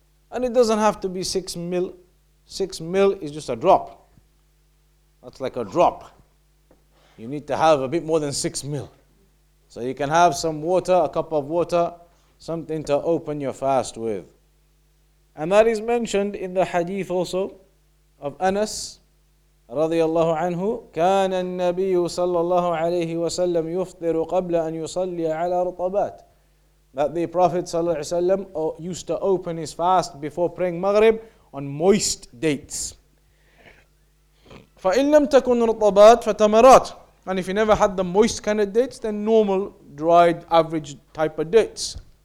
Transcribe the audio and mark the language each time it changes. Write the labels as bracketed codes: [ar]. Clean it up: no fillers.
[en] And it doesn't have to be 6 mil. 6 mil is just a drop. That's like a drop. You need to have a bit more than 6 mil. So you can have some water, a cup of water, something to open your fast with. And that is mentioned in the hadith also of Anas radiyallahu anhu. [ar] كان النبي صلى الله عليه وسلم يفطر قبل أن يصلي على رطبات. [en] That the Prophet صلى الله عليه وسلم used to open his fast before praying Maghrib on moist dates. [ar] فإن لم تكن رطبات فتمرات. [en] And if you never had the moist kind of dates, then normal, dried, average type of dates.